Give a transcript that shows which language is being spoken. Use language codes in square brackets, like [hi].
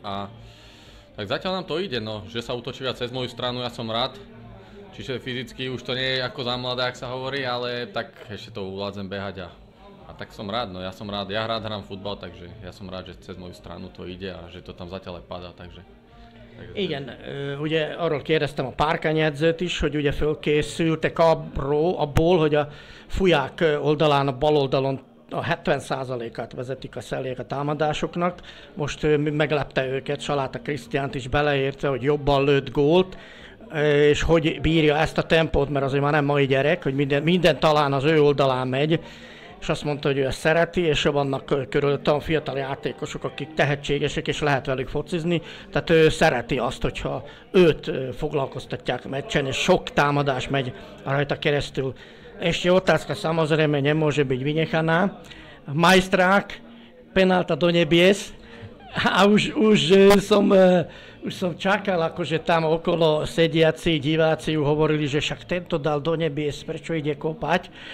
[sk] A tak zatiaľ nám to ide, no, že sa utočí viac cez moju stranu, ja som rád. Čiže fyzicky už to nie je ako za mladé, ak sa hovorí, ale tak ešte to uvládzem behať a tak som rád, no, ja som rád, ja rád hrám futbal, takže ja som rád, že cez moju stranu to ide a že to tam zatiaľ aj padá, takže. [hu] Igen, ugye arról kérdeztem a Párkány edzőt is, hogy ugye fölkészültek abból, hogy a Fujak oldalán, a bal oldalon a 70%-át vezetik a Szeliek a támadásoknak. Most meglepte őket, Saláta Krisztiánt is beleérte, hogy jobban lőtt gólt, és hogy bírja ezt a tempót, mert azért már nem mai gyerek, hogy minden talán az ő oldalán megy. És azt mondta, hogy ő ezt szereti, és vannak körülöttem fiatal játékosok, akik tehetségesek, és lehet velük focizni. Tehát ő szereti azt, hogyha őt foglalkoztatják meccsen, és sok támadás megy rajta keresztül. [sk] És egy otázka samozrejme nem môže byť vynechaná. Majstrák, penálta do nebies. A už som čakal, akože tam okolo sediaci diváci hovorili, že však tento dal do nebies, prečo ide kopať.